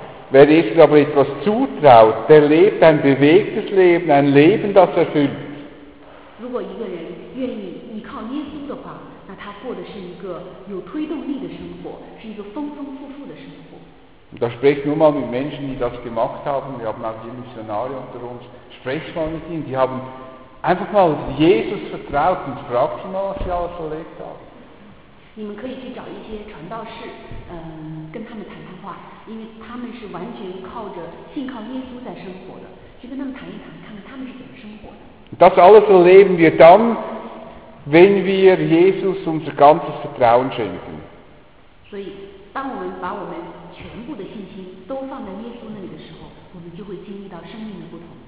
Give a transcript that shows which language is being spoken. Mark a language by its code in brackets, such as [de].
[de] Wer Jesus aber etwas zutraut, der lebt ein bewegtes Leben, ein Leben, das erfüllt. [zh] 如果一个人愿意依靠耶稣的话，那他过的是一个有推动力的生活，是一个丰丰富富的生活。 [de] Und da spreche nur mal mit Menschen, die das gemacht haben. Wir haben auch hier Missionare unter uns. Spreche mal mit ihnen, die haben. Einfach mal Jesus vertraut und frag sie mal, was sie alles erlebt haben. [zh] 你们可以去找一些传道士，跟他们谈谈话，因为他们是完全靠着信靠耶稣在生活的。去跟他们谈一谈，看看他们是怎么生活的。 [de] Das alles erleben wir dann, wenn wir Jesus unser ganzes Vertrauen schenken. [zh] 所以，当我们把我们全部的信心都放在耶稣那里的时候，我们就会经历到生命的不同。